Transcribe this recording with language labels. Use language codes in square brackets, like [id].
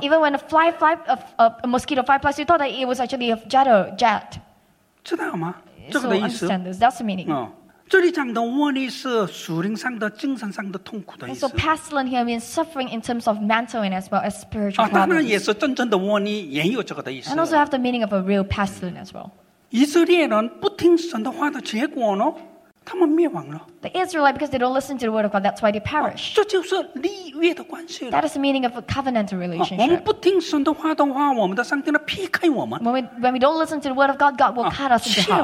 [en] Even when a mosquito fly past, you thought that it was actually a jet. [zh] 知道吗? 这个的意思? [en] So understand this. That's the meaning. [zh] 这里讲的瘟疫是属灵上的、精神上的痛苦的意思。 [en] So pestilence here means suffering in terms of mental and as well as spiritual problems. [zh] 当然也是真正的瘟疫，也有这个的意思。 [en] And also have the meaning of a real pestilence as well. [zh] 以色列人不听神的话的结果呢? 他们灭亡了。 [en] The Israelites, because they don't listen to the word of God, that's why they perish. [zh] 这就是立约的关系了。 [en] That is the meaning of a covenantal relationship. [zh] 我们不听神的话的话，我们的上帝呢劈开我们。 [en] When we don't listen to the word of God, God will cut us into half.